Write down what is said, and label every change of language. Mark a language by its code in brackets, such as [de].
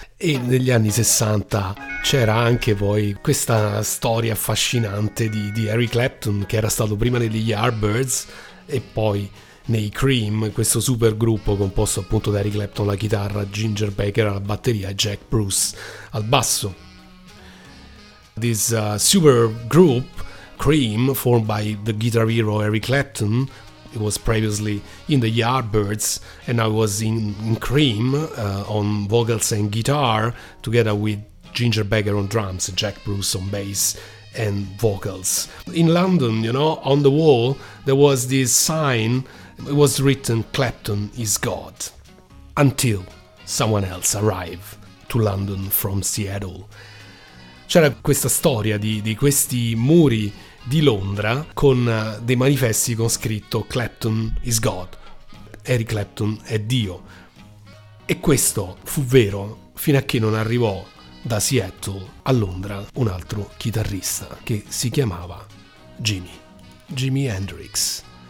[it] E negli anni 60 c'era anche poi questa storia affascinante di Eric Clapton, che era stato prima negli Yardbirds e poi nei Cream, questo super gruppo composto appunto da Eric Clapton alla chitarra, Ginger Baker alla batteria e Jack Bruce al basso. [en] This super group Cream, formed by the guitar hero Eric Clapton, it was previously in the Yardbirds, and I was in Cream on vocals and guitar, together with Ginger Baker on drums, Jack Bruce on bass and vocals. In London, you know, on the wall, there was this sign, it was written, Clapton is God, until someone else arrived to London from Seattle. [it] C'era questa storia di questi muri di Londra con dei manifesti con scritto [en] Clapton is God, [it] Eric Clapton è Dio. E questo fu vero fino a che non arrivò da Seattle a Londra un altro chitarrista che si chiamava Jimi Hendrix.